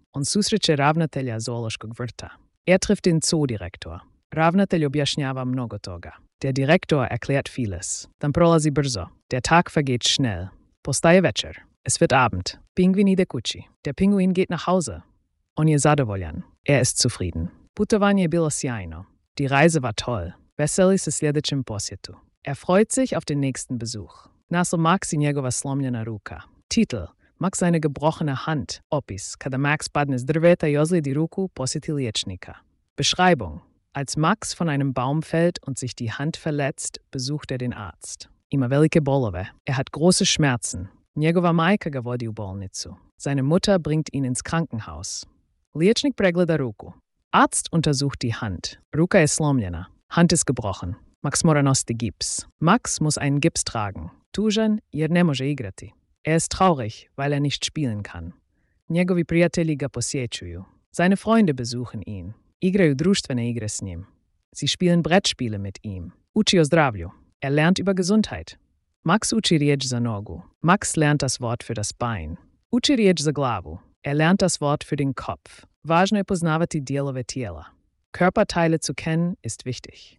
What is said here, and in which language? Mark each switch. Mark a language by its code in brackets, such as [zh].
[hr] On susreće ravnatelja zoološkog vrta. [de] Er trifft den Zoodirektor. [hr] Ravnatelj objašnjava mnogo toga. [de] Der Direktor erklärt vieles. Dann [hr] prolazi brzo. [de] Der Tag vergeht schnell. [hr] Postaje večer. [de] Es wird Abend. [hr] Pinguin ide kući. [de] Der Pinguin geht nach Hause. [hr] On je zadovoljan. [de] Er ist zufrieden. [hr] Putovanje je bilo sjajno. [de] Die Reise war toll. [hr] Veseli se sljedećem posjetu. [de] Er freut sich auf den nächsten Besuch. [hr] Naslov Maxi njegova slomljena ruka. [de] Titel. Max seine gebrochene Hand. [hr] Opis. Kada Max padne s drveta i ozlijedi ruku, posjeti liječnika. [de] Beschreibung. Als Max von einem Baum fällt und sich die Hand verletzt, besucht er den Arzt. [hr] Ima velike bolove. [de] Er hat große Schmerzen. [hr] Njegova majka ga vodi u bolnicu. [de] Seine Mutter bringt ihn ins Krankenhaus. [hr] Liječnik pregleda ruku. [de] Arzt untersucht die Hand. [hr] Ruka je slomljena. [de] Hand ist gebrochen. [hr] Max mora nositi gips. [de] Max muss einen Gips tragen. [hr] Tužan jer ne može igrati. [de] Er ist traurig, weil er nicht spielen kann. [hr] Njegovi prijatelji ga posjećuju. [de] Seine Freunde besuchen ihn. [hr] Igraju društvene igre s njim. [de] Sie spielen Brettspiele mit ihm. [hr] Uči o zdravlju. [de] Er lernt über Gesundheit. [hr] Max uči riječ za nogu. [de] Max lernt das Wort für das Bein. [hr] Uči riječ za glavu. [de] Er lernt das Wort für den Kopf. [hr] Važno je poznavati dijelove tijela. [de] Körperteile zu kennen ist wichtig.